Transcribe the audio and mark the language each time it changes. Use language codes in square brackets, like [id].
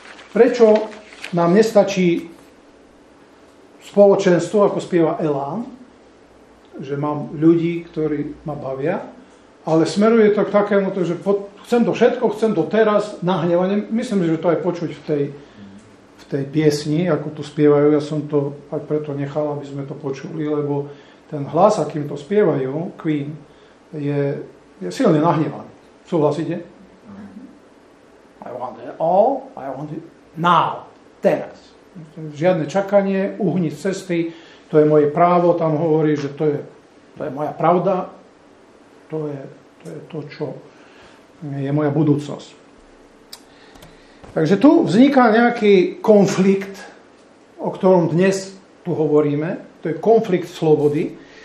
[sk] Prečo nám nestačí spoločenstvo, ako spieva Elán, že mám ľudí, ktorí ma bavia, ale smeruje to k takému, že chcem to všetko, chcem to teraz, nahnevanie. Myslím, že to aj počuť v tej piesni, ako tu spievajú. Ja som to aj preto nechal, aby sme to počuli, lebo ten hlas, akým to spievajú, Queen, je silne nahnevaný. Súhlasíte? [en] I want it all, I want it now, [sk] teraz. Žiadne čakanie, uhni z cesty, to je moje právo, tam hovorí, že to je moja pravda, to je to, čo je moja budúcnosť. Takže tu vzniká nejaký konflikt, o ktorom dnes tu hovoríme, to je konflikt slobody.